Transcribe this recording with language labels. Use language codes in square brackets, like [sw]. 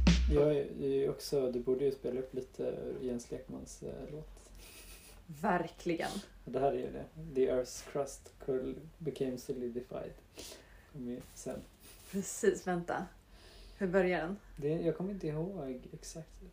[sv] Jag är ju också, du borde ju spela upp lite Jens Lekmans låt. Verkligen. Det här är ju det. [en] The Earth's crust curl became solidified. [sv] Kommer ju sen. Precis, vänta. Hur börjar den? Det, jag kommer inte ihåg exakt.